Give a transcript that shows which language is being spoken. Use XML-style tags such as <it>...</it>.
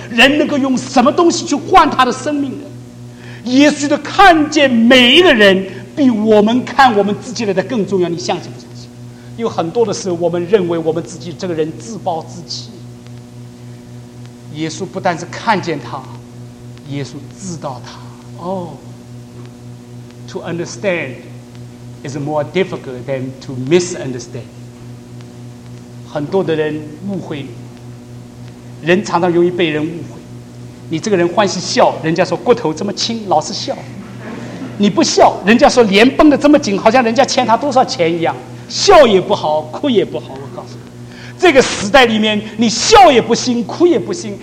<zh>人能够用什么东西去换他的生命呢？耶稣的看见每一个人，比我们看我们自己来的更重要。你相信不相信？有很多的时候，我们认为我们自己这个人自暴自弃。耶稣不但是看见他，耶稣知道他。</zh> <en>哦、to understand is more difficult than to misunderstand.</en> <zh>很多的人误会你，人常常容易被人误会。你这个人欢喜笑，人家说骨头这么轻，老是笑。你不笑，人家说脸绷得这么紧，好像人家欠他多少钱一样。笑也不好，哭也不好。我告诉你，这个时代里面，你笑也不行，哭也不行。</zh>